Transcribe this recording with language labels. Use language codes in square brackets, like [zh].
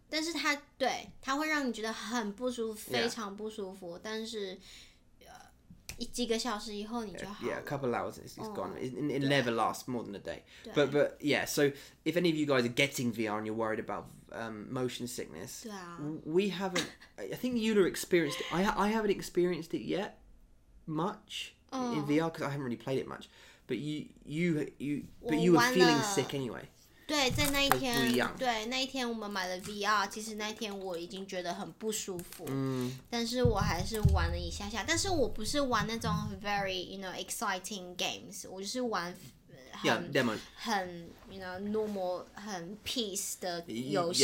[zh] 但是它,对,它会让你觉得很不舒服,非常不舒服,但是几个小时以后你就好了。 [en] Yeah, a couple of hours, it's gone. It never lasts more than a day. But yeah, so if any of you guys are getting VR and you're worried about... motion sickness. We haven't. I think you've experienced it. I haven't experienced it yet much in VR because I haven't really played it much. But you were feeling sick anyway. [zh] 对，在那一天，对，那一天我们买了 VR， 其实那一天我已经觉得很不舒服，嗯，但是我还是玩了一下下，但是我不是玩那种 [en] very you know exciting games， [zh] 我就是玩很 [en] you know normal [zh] 很 peace 的游戏